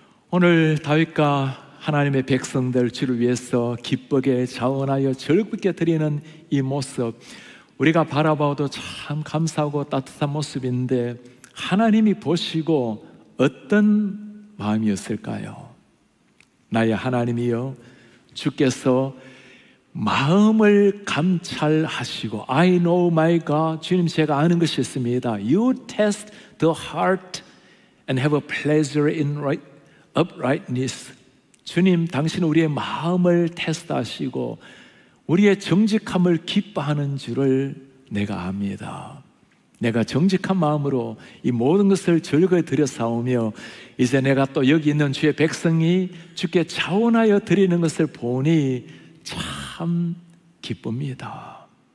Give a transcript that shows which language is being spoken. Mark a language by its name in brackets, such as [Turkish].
[Korean] 오늘 다윗과 하나님의 백성들 주를 위해서 기쁘게 자원하여 즐겁게 드리는 이 모습, 우리가 바라봐도 참 감사하고 따뜻한 모습인데 하나님이 보시고 어떤 마음이었을까요? 나의 하나님이여, 주께서 마음을 감찰하시고, [English] I know my God, [Korean] 주님 제가 아는 것이 있습니다. [English] You test the heart and have a pleasure in uprightness. [Korean] 주님, 당신은 우리의 마음을 테스트하시고 우리의 정직함을 기뻐하는 줄을 내가 압니다. 내가 정직한 마음으로 이 모든 것을 즐거워 드렸사오며 이제 내가 또 여기 있는 주의 백성이 주께 자원하여 드리는 것을 보니 참 기쁩니다.